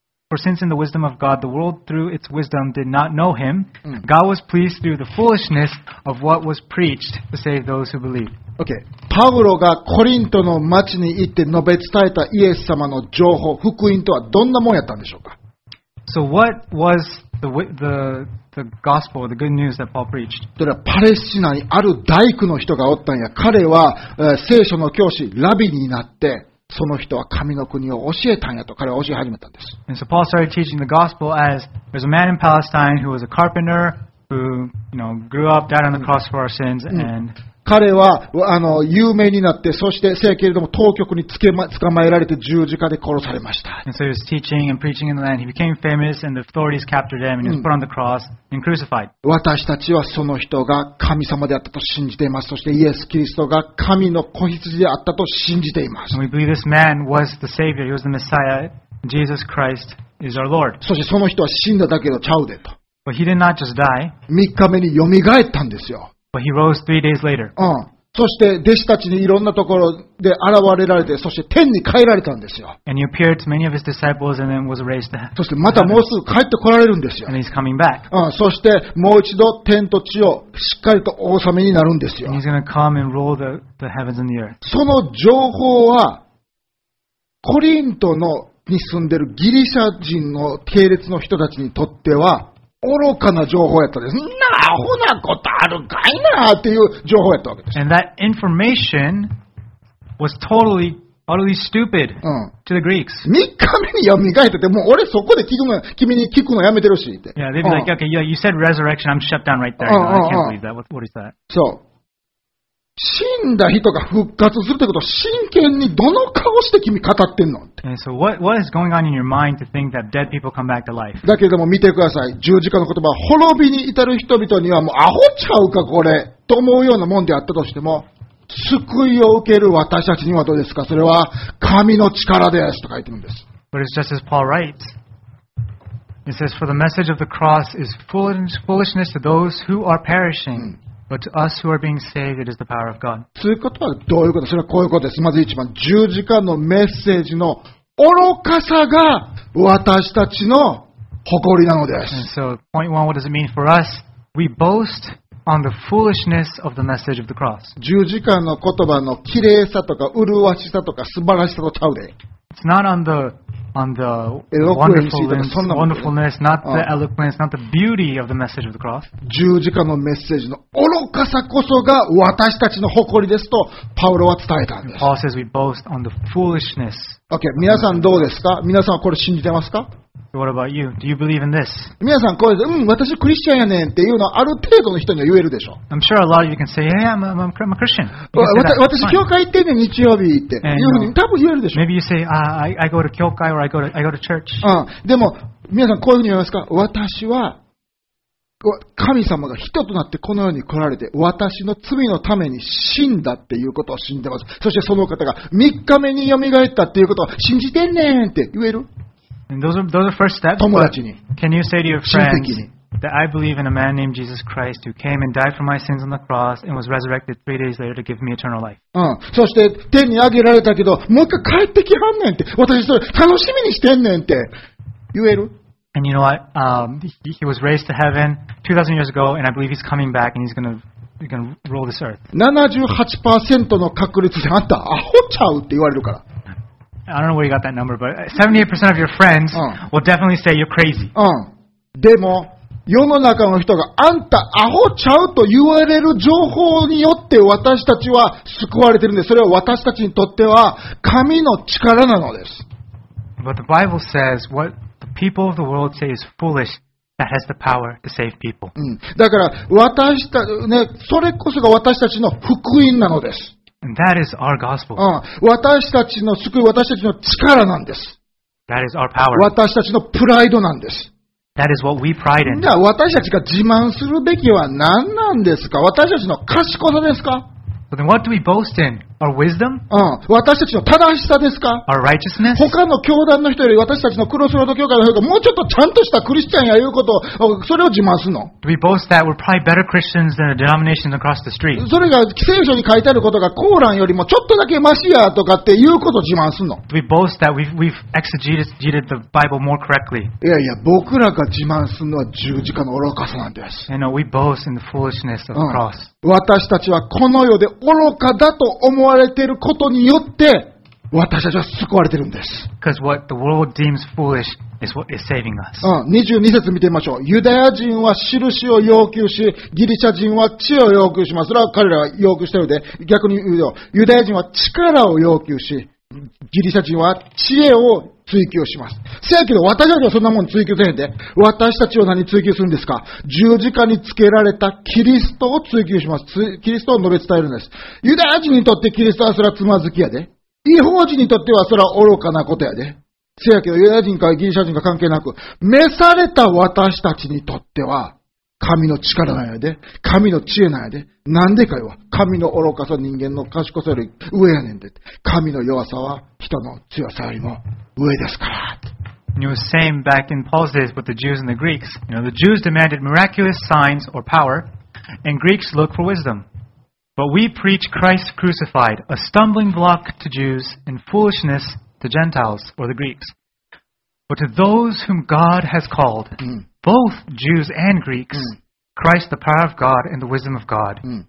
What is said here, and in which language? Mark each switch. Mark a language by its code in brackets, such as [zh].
[en] For since in the wisdom of God the world through its wisdom did not know him, God was pleased through the foolishness of what was preached to save those who believe. Okay. [ja] パウロがコリントの町に行って述べ伝えたイエス様の情報、福音とはどんなもんやったんでしょうか。 [en] So what was the gospel, the good news that Paul preached? [ja] それはパレスチナにある大工の人がおったんや。彼は、聖書の教師、ラビになって、その人は神の国を教えたんやと彼は教え始めたんです。 [en] And so Paul started teaching the gospel as there's a man in Palestine who was a carpenter who, you know, grew up, died on the cross for our sins, and [ja] 彼は有名になって、そして聖けれども当局に捕まえられて十字架で殺されました。 [en] And so he was teaching and preaching in the land. He became famous and the authorities captured him and he was put on the cross and crucified. [ja] 私たちはその人が神様であったと信じています。そしてイエス・キリストが神の子羊であったと信じています。 [en] And we believe this man was the Savior. He was the Messiah. Jesus Christ is our Lord. [ja] そしてその人は死んだだけどちゃうでと。 [en] But he did not just die. [ja] 3日目によみがえったんですよ。 [en] But he rose three days later. [ja] そして弟子たちにいろんなところで現れられて、そして天に帰られたんですよ。 [en] And he appeared to many of his disciples and then was raised to heaven. [ja] そしてまたもうすぐ帰ってこられるんですよ。 [en] And he's coming back. [ja] そしてもう一度天と地をしっかりと王様になるんですよ。 [en] And he's going to come and rule the heavens and the earth. [ja] その情報はコリントのに住んでるギリシャ人の系列の人たちにとっては愚かな情報やったんです。なあ、ほなことあるかいなっていう情報やったわけです。 [en] And that information was totally, utterly stupid to the Greeks. [ja] 3日目に蘇ったって、もう俺そこで聞くの、君に聞くのやめてるしって。 [en] Yeah, they'd be like, okay, yeah, you said resurrection, I'm shut down right there. I can't believe that. What is that? So, [ja] 死んだ人が復活するってことを真剣にどの顔して君語ってんのって。 [en] So what is going on in your mind to think that dead people come back to life? [ja] だけれども見てください。十字架の言葉、滅びに至る人々にはもうアホちゃうかこれと思うようなもんであったとしても、救いを受ける私たちにはどうですか。それは神の力ですと書いてるんです。 [en] But it's just as Paul writes. It says, for the message of the cross is foolishness to those who are perishing.、うんBut to us who are being saved, it is the power of God. [ja] そういうことはどういうこと？それはこういうことです。まず一番、十字架のメッセージの愚かさが私たちの誇りなのです。 [en] And so, point one, what does it mean for us? We boast on the foolishness of the message of the cross. [ja] 十字架の言葉の綺麗さとか麗しさとか素晴らしさとちゃうで。 [en] It's not on the... On the wonderfulness, not the eloquence, not the beauty of the message of the cross. [ja] 十字架のメッセージの愚かさこそが私たちの誇りですとパウロは伝えたんです。 [en] Paul says we boast on the foolishness. [ja] Okay, 皆さんどうですか？皆さんはこれ信じてますか？ [en] What about you? Do you believe in this? [ja] 皆さんこれ、うん、私クリスチャンやねんっていうのはある程度の人には言えるでしょう。 [en] I'm sure a lot of you can say, yeah, I'm a Christian. [ja] 私教会行ってんねん、日曜日って。多分言えるでしょう。 [en] Maybe you say, I go to 教会 or I go to church. [ja] うん。でも、皆さんこういうふうに言いますか？私は、神様が人となってこの世に来られて、私の罪のために死んだっていうことを信じてます。そしてその方が3日目に蘇ったっていうことを信じてんねんって言える？ [en] And those are first steps. [ja] 友達に。 [en] Can you say to your friends that I believe in a man named Jesus Christ who came and died for my sins on the cross and was resurrected three days later to give me eternal life? [ja] うん。そして天に上げられたけど、もう一回帰ってきはんねんって。私それ楽しみにしてんねんって。言える？ [en] And you know what? He was raised to heaven 2000 years ago and I believe he's coming back and he's gonna rule this earth. [ja] 78% の確率であんたアホちゃうって言われるから。 [en] I don't know where you got that number, but 78% of your friends will definitely say you're crazy. [ja] でも世の中の人があんたアホちゃうと言われる情報によって私たちは救われてるんで、それは私たちにとっては神の力なのです。 [en] But the Bible says what the people of the world say is foolish. That has the power to save people. [ja] だから私たちね、それこそが私たちの福音なのです。 [en] And that is our gospel. [ja] 私たちの救い、私たちの力なんです。 [en] That is our power. [ja] 私たちのプライドなんです。 [en] That is what we pride in. [ja] じゃあ私たちが自慢するべきは何なんですか？私たちの賢さですか？ [en] But then what do we boast in? Our wisdom? [ja] 私たちの正しさですか？ [en] Our righteousness? [ja] 他の教団の人より私たちのクロスロード教会の人がもうちょっとちゃんとしたクリスチャンやいうことを、それを自慢するの？ [en] Do we boast that we're probably better Christians than the denominations across the street? [ja] それが聖書に書いてあることがコーランよりもちょっとだけマシやとかっていうことを自慢するの？ [en] Do we boast that we've exegeted the Bible more correctly? [ja] いやいや、僕らが自慢するのは十字架の愚かさなんです。 [en] And we boast in the foolishness of the cross. [ja] 私たちはこの世で愚かだと思われていることによって私たちは救われているんです。 [en] Because what the world deems foolish is what is saving us. [ja] 22節見てみましょう。ユダヤ人は印を要求し、ギリシャ人は知を要求します。それは彼らは要求しているので、逆に言うと、ユダヤ人は力を要求し、ギリシャ人は知恵を追求します。せやけど私たちはそんなもん追求せへんで、私たちは何追求するんですか？十字架につけられたキリストを追求します。キリストを述べ伝えるんです。ユダヤ人にとってキリストはそれはつまずきやで。異邦人にとってはそれは愚かなことやで。せやけどユダヤ人かギリシャ人か関係なく、召された私たちにとっては、神の力なんやで。神の知恵なんやで。なんでかよ。神の愚かさ、人間の賢さより上やねんで。神の弱さは人の強さよりも上ですから。 [en] And it was the same back in Paul's days with the Jews and the Greeks. You know, the Jews demanded miraculous signs or power, and Greeks looked for wisdom. But we preach Christ crucified, a stumbling block to Jews and foolishness to Gentiles or the Greeks. But to those whom God has called,Both Jews and Greeks, Christ the power of God and the wisdom of God.